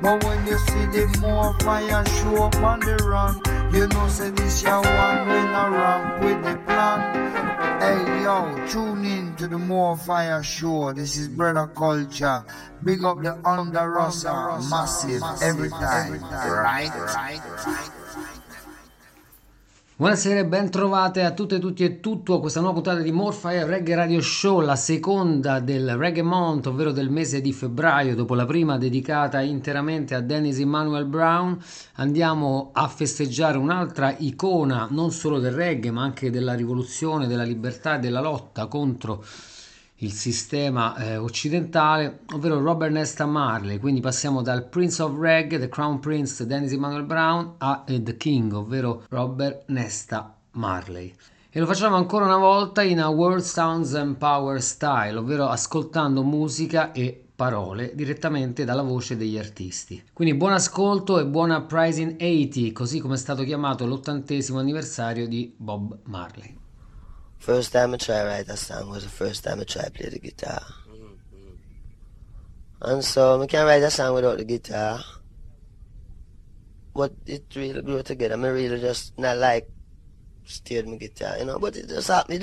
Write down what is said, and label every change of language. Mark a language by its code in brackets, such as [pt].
[en] But when you see the more fire show up on the run, you know say this your one when I ramp with the plan. Hey yo, tune in to the More Fire Show. This is Brother Culture. Big up the Under Rasta, massive every time. [it] Buonasera e bentrovate a tutte e tutti e tutto a questa nuova puntata di More Fire Reggae Radio Show, la seconda del Reggae Month, ovvero del mese di febbraio. Dopo la prima dedicata interamente a Dennis Emmanuel Brown, andiamo a festeggiare un'altra icona non solo del reggae ma anche della rivoluzione, della libertà e della lotta contro il sistema occidentale, ovvero Robert Nesta Marley. Quindi passiamo dal Prince of Reggae, The Crown Prince, Dennis Emmanuel Brown, a The King, ovvero Robert Nesta Marley. E lo facciamo ancora una volta [en] in a World Sounds and Power Style, [it] ovvero ascoltando musica e parole direttamente dalla voce degli artisti. Quindi buon ascolto e buona Pricing 80, così come è stato chiamato l'80° anniversario di Bob Marley. [en] First time I tried write that song was the first time I tried play the guitar. And so I can't write a song without the guitar. But it really grew together. Me really just not like steered my guitar, you know. But it just happened.